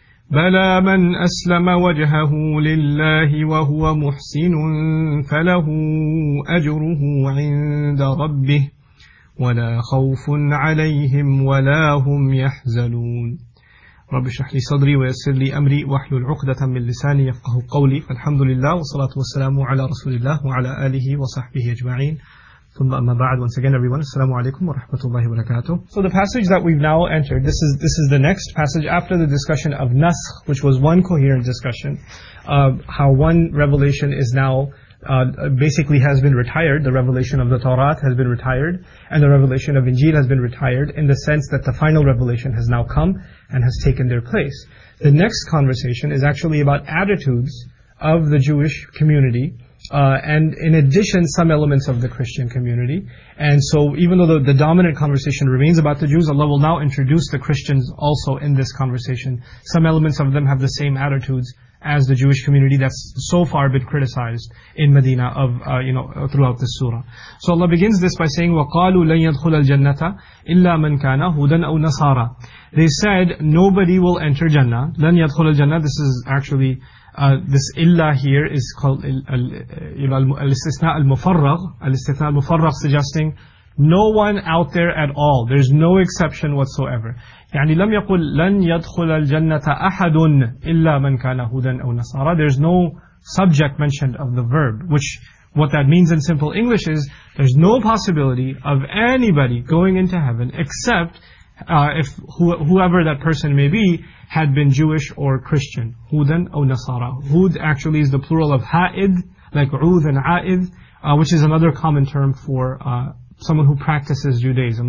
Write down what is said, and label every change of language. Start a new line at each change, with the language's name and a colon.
Arabic: بلى من أسلم وجهه لله وهو محسن فله أجره عند ربه ولا خوف عليهم ولا هم يحزنون. رب اشرح لي صدري ويسر لي امري واحلل عقدة من لساني يفقهوا قولي. الحمد لله والصلاة والسلام على رسول الله وعلى آله وصحبه اجمعين. ثم اما بعد,
English: once again everyone,
Arabic: السلام عليكم ورحمة الله وبركاته.
English: So the passage that we've now entered, this is the next passage after the discussion of Nasakh, which was one coherent discussion of how one revelation is now basically has been retired. The revelation of the Torah has been retired, and the revelation of Injil has been retired, in the sense that the final revelation has now come and has taken their place. The next conversation is actually about attitudes of the Jewish community, and in addition, some elements of the Christian community. And so even though the dominant conversation remains about the Jews, Allah will now introduce the Christians also in this conversation. Some elements of them have the same attitudes as the Jewish community that's so far been criticized in Medina of throughout the surah. So Allah begins this by saying,
Arabic: وَقَالُوا لَنْ يَدْخُلَ الْجَنَّةَ إِلَّا مَنْ كَانَ هُدًا أَوْ نَصَارًا.
English: They said, nobody will enter Jannah.
Arabic: لَنْ يَدْخُلَ الْجَنَّةَ,
English: this is actually, this illa here is called
Arabic: الْإِسْتِثْنَاء الْمُفَرَّغ. الْإِسْتِثْنَاء الْمُفَرَّغ
English: suggesting no one out there at all. There's no exception whatsoever.
Arabic: يعني لم يقل لن يدخل الجنة أحد إلا من كان هودا أو نصارى.
English: There's no subject mentioned of the verb, which what that means in simple English is there's no possibility of anybody going into heaven except if whoever that person may be had been Jewish or Christian.
Arabic: هودا أو نصارى.
English: هود actually is the plural of هائد, like عوذ and عائد, which is another common term for someone who practices Judaism.